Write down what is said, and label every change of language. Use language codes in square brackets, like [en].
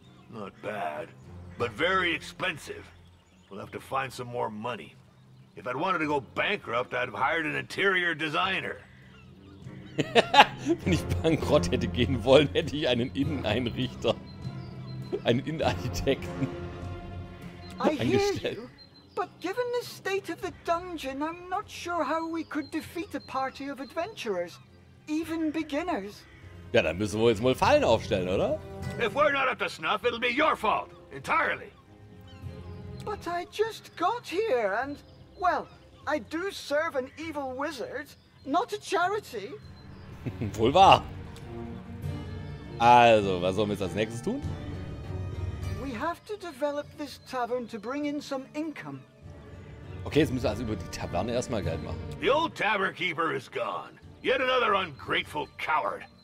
[en] Not bad, but very expensive. We'll have to find some more money. If I'd wanted to go bankrupt, I'd have hired an interior designer. [de] Wenn ich bankrott hätte gehen wollen, hätte ich einen Inneneinrichter. Einen Innenarchitekten. [en] I hear you. But given the state of the dungeon, I'm not sure how we could defeat a party of adventurers, even beginners. [de] Ja, dann müssen wir jetzt mal Fallen aufstellen, oder? [en] If we're not up to snuff, it'll be your fault, entirely. But I just got here and, well, I do serve an evil wizard, not a charity. [de] Wohl wahr. Also, was sollen wir jetzt als nächstes tun? [en] We have to develop this tavern to bring in some income. [de] Okay, jetzt müssen wir also über die Taverne erstmal Geld machen. [en] The old tavern keeper is gone. Yet another ungrateful coward.